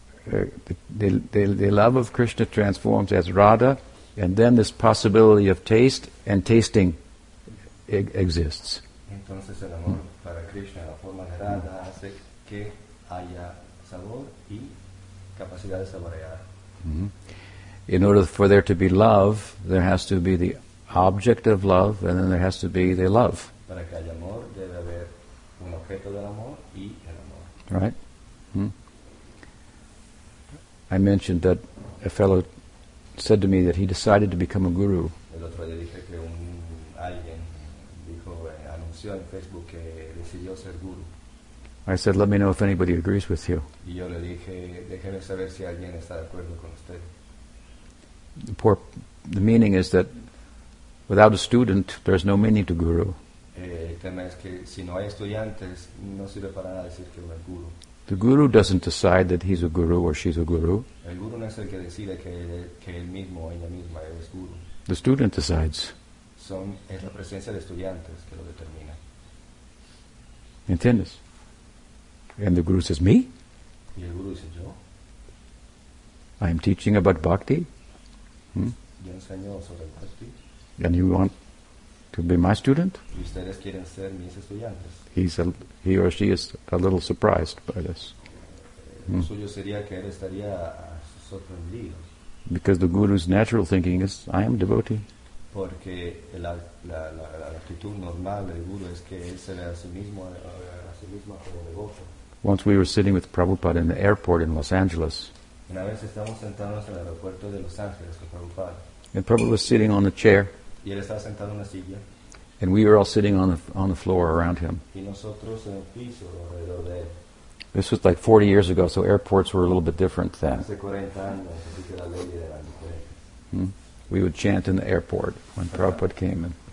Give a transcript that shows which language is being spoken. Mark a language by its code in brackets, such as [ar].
[en] So the love of Krishna transforms as Radha, and then this possibility of taste and tasting exists. [es] Entonces el amor para Krishna, la forma de Radha, hace que haya sabor y capacidad de saborear. [en] In order for there to be love, there has to be the object of love, and then there has to be the love. [es] Para que haya amor, debe haber un objeto del amor y el amor. [en] Right? I mentioned that a fellow said to me that he decided to become a guru. [es] El otro día dije que alguien dijo, anunció en Facebook que decidió ser guru. [en] I said, let me know if anybody agrees with you. [es] Y yo le dije, déjeme saber si alguien está de acuerdo con usted. [en] The meaning is that without a student, there is no meaning to guru. [es] El tema es que si no hay estudiantes, no sirve para nada decir que uno es guru. [en] The guru doesn't decide that he's a guru or she's a guru. [es] El guru no es el que decide que él mismo o ella misma es guru. [en] The student decides. [es] Es la presencia de estudiantes que lo determina. ¿Entiendes? [en] And the guru says, me? [es] Y el guru dice, yo. [en] I am teaching about bhakti. [es] Yo enseño sobre bhakti. [en] And you want to be my student? [es] Y ustedes quieren ser mis estudiantes. [en] He or she is a little surprised by this. [es] Suyo sería que él estaría sorprendido. [en] Because the guru's natural thinking is, I am devotee. [es] Porque la actitud normal del guru es que él se ve a sí mismo como devoto. [en] Once we were sitting with Prabhupada in the airport in Los Angeles. [es] Una vez estábamos sentados en el aeropuerto de Los Ángeles con Prabhupada. [en] And Prabhupada was sitting on the chair. [es] Y él estaba sentado en la silla. [en] And we were all sitting on the floor around him. [es] Y nosotros en el piso alrededor de él. [en] This was like 40 years ago, so airports were a little bit different then. [es] Hace 40 años, así que la ley era diferente. [en] We would chant in the airport when Prabhupada came in.